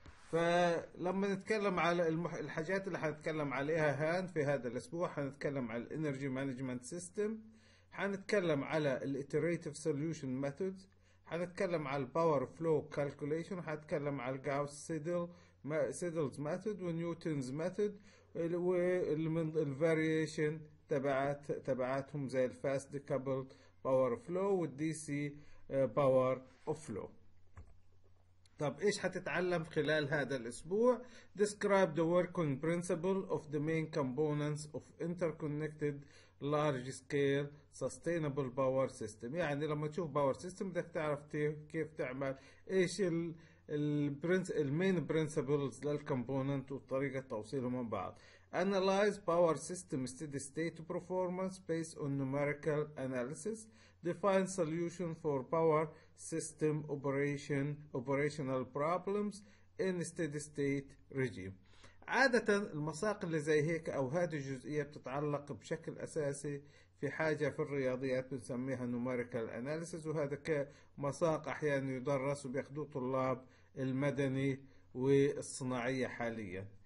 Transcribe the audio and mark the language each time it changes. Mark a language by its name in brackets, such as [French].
[Arabic] فلما نتكلم على الحاجات اللي حنتكلم عليها هان في هذا الأسبوع، حنتكلم على الانرجي مانجمنت سيستم، حنتكلم على الاتيريتيف سوليوشن ميثود، حنتكلم على الباور فلو كالكوليشن، حنتكلم على الجاوس سيدلز ميثود ونيوتنز ميثود والفاريشن تبعاتهم زي الفاست ديكابل باور فلو والدي سي باور فلو. طب ايش حتتعلم خلال هذا الاسبوع؟ [English] Describe the working principle of the main components of interconnected large scale sustainable power system. [Arabic] يعني لما تشوف power system بدك تعرف كيف تعمل، ايش المين برينسيبلز للكومبوننت وطريقه توصيلهم من بعض. [English] Analyze power system steady state performance based on numerical analysis. Define solution for power system operational problems in steady state regime. [Arabic] عادة المساق اللي زي هيك او هذه الجزئية بتتعلق بشكل اساسي في حاجة في الرياضيات بنسميها numerical analysis، وهذا كمساق احيانا يدرس وبياخدوه طلاب المدني والصناعية حاليا.